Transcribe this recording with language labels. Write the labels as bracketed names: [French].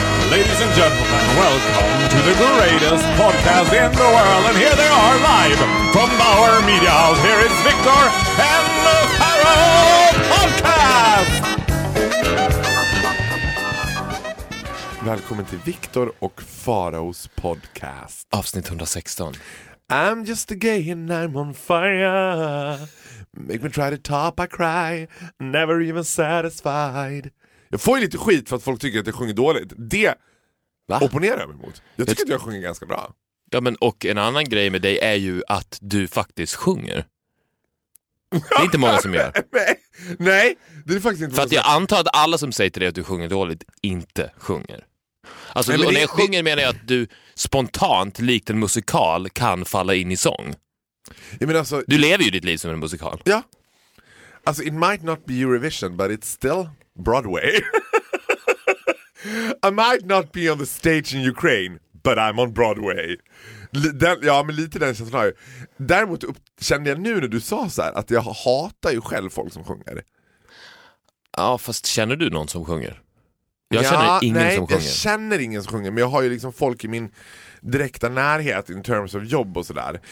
[English] Ladies and gentlemen, welcome to the greatest podcast in the world. And here they are live from Bauer Media House. Here is Victor and the Pharaoh Podcast! [Swedish] Välkommen till Victor och Pharaohs podcast. Avsnitt 116. [English] I'm just a gay and I'm on fire. Make me try to top, I cry. Never even satisfied. [Swedish] Jag får ju lite skit för att folk tycker att jag sjunger dåligt. Det Va? Opponerar jag mig emot. Jag tycker att jag sjunger ganska bra. Ja, men och en annan grej med dig är ju att du faktiskt sjunger. Det är inte många som gör. Nej, det är faktiskt inte för många som gör. För jag antar att alla som säger till dig att du sjunger dåligt inte sjunger. Alltså, nej, men när jag sjunger menar jag att du spontant, likt en musikal, kan falla in i sång. Jag menar alltså, du lever ju ditt liv som en musikal. Ja. [English] Alltså, it might not be Eurovision, but it's still Broadway. I might not be on the stage in Ukraine, but I'm on Broadway. [Swedish] Ja, men lite den känslan har jag. Däremot kände jag nu när du sa så här, att jag hatar ju själv folk som sjunger. Ja, fast känner du någon som sjunger? Jag känner ingen som sjunger, men jag har ju liksom folk i min direkta närhet in terms of jobb och sådär.